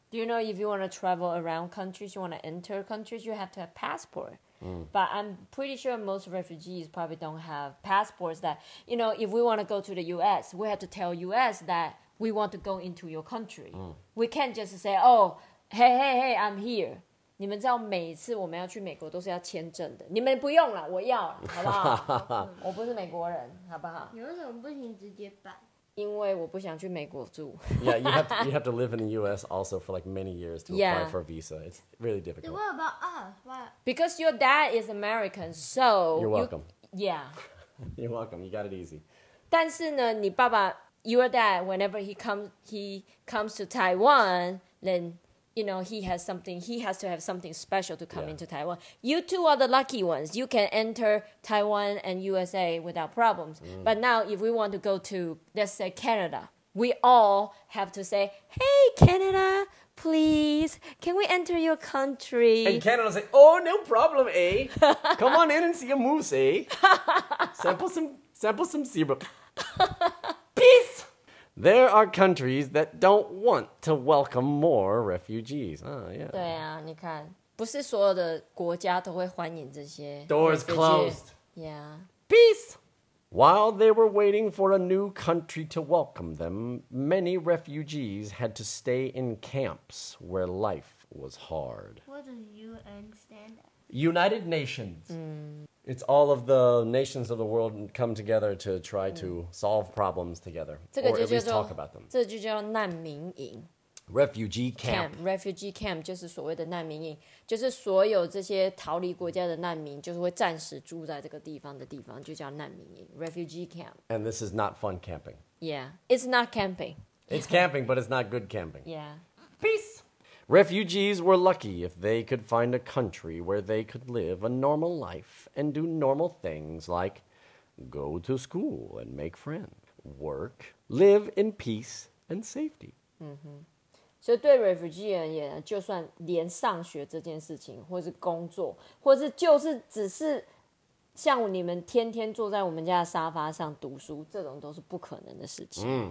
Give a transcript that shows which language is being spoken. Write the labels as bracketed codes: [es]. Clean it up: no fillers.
[en] Do you know if you want to travel around countries, you want to enter countries, you have to have passport. Mm. But I'm pretty sure most refugees probably don't have passports that, you know, if we want to go to the U.S., we have to tell U.S. that we want to go into your country. Mm. We can't just say, oh, hey, I'm here. [zh] 你们知道每次我们要去美国都是要签证的。你们不用了，我要了，好不好？我不是美国人，好不好？你为什么不行直接办？因为我不想去美国住。 [en] Yeah, you have to live in the U.S. also for like many years to apply for a visa. It's really difficult. Then what about us? What? Because your dad is American, so... You're welcome. Yeah. You're welcome. You got it easy. [zh] 但是呢，你爸爸 [en] your dad, whenever he comes to Taiwan, then... You know, he has to have something special to come into Taiwan. You two are the lucky ones. You can enter Taiwan and USA without problems. Mm. But now, if we want to go to, let's say, Canada, we all have to say, hey, Canada, please, can we enter your country? And Canada's like, oh, no problem, eh? Come on in and see a moose, eh? sample some syrup. Peace! There are countries that don't want to welcome more refugees. Oh, yeah. [zh] 对啊，你看，不是所有的国家都会欢迎这些。 [en] Doors closed. Yeah. Peace! While they were waiting for a new country to welcome them, many refugees had to stay in camps where life was hard. What does UN stand for? United Nations. Mm. It's all of the nations of the world come together to try to solve problems together. Or at least talk about them. [zh] 这就叫难民营。 [en] Refugee camp. [zh] Refugee camp 就是所谓的难民营，就是所有这些逃离国家的难民，就是会暂时住在这个地方的地方，就叫难民营。Refugee camp. [en] And this is not fun camping. Yeah, it's not camping. It's camping, but it's not good camping. Yeah. Peace! Refugees were lucky if they could find a country where they could live a normal life and do normal things like go to school and make friends, work, live in peace and safety. Mm-hmm. [zh] 所以对 refugee 而言，就算连上学这件事情，或是工作，或是就是只是像你们天天坐在我们家的沙发上读书，这种都是不可能的事情。